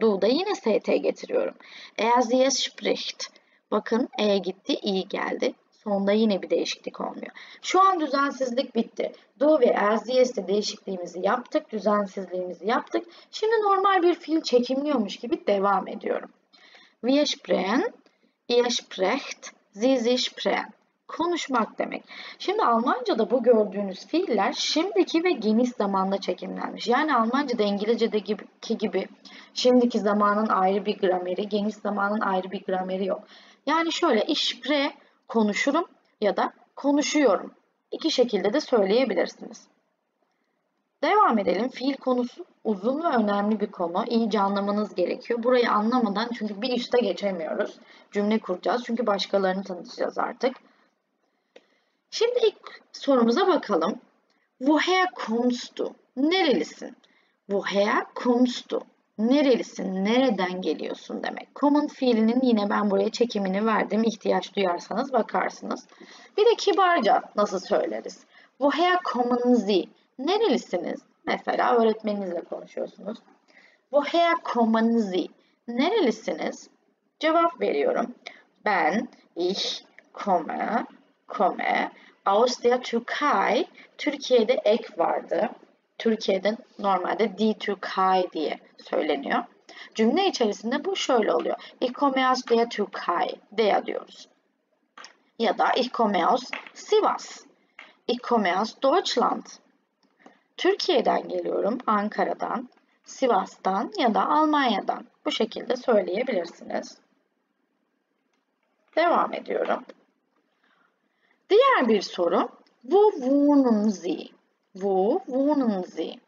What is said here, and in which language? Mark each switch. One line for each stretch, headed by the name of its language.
Turkish: Du da yine st getiriyorum.
German: Er sie spricht.
Turkish: Bakın e gitti, i geldi. Sonda yine bir değişiklik olmuyor. Şu an düzensizlik bitti. Du ve er sie de değişikliğimizi yaptık. Düzensizliğimizi yaptık. Şimdi normal bir fiil çekimliyormuş gibi devam ediyorum.
German: Wir sprechen, ihr sprecht, Sie sprechen.
Turkish: Konuşmak demek. Şimdi Almanca'da bu gördüğünüz fiiller şimdiki ve geniş zamanda çekimlenmiş. Yani Almanca'da İngilizce'deki gibi şimdiki zamanın ayrı bir grameri, geniş zamanın ayrı bir grameri yok. Yani şöyle
German: ich spreche
Turkish: konuşurum ya da konuşuyorum. İki şekilde de söyleyebilirsiniz. Devam edelim. Fiil konusu uzun ve önemli bir konu. İyice anlamanız gerekiyor. Burayı anlamadan çünkü bir üste geçemiyoruz. Cümle kuracağız. Çünkü başkalarını tanıtacağız artık. Şimdi ilk sorumuza bakalım.
German: Woher kommst du?
Turkish: Nerelisin?
German: Woher kommst du? Nerelisin?
Turkish: Nereden geliyorsun demek. Common fiilinin yine ben buraya çekimini verdim. İhtiyaç duyarsanız bakarsınız. Bir de kibarca nasıl söyleriz?
German: Woher kommen Sie?
Turkish: Nerelisiniz? Mesela öğretmeninizle konuşuyorsunuz.
German: Woher kommen Sie?
Turkish: Nerelisiniz? Cevap veriyorum.
German: Ben, ich komme aus der Türkei.
Turkish: Türkiye'de ek vardı. Türkiye'de normalde die Türkei diye söyleniyor. Cümle içerisinde bu şöyle oluyor.
German: Ich komme aus der Türkei
Turkish: diye diyoruz. Ya da
German: ich komme aus Sivas. Ich komme aus Deutschland.
Turkish: Türkiye'den geliyorum, Ankara'dan, Sivas'tan ya da Almanya'dan. Bu şekilde söyleyebilirsiniz. Devam ediyorum. Diğer bir soru.
German: Wo wohnen Sie? Wo wohnen Sie?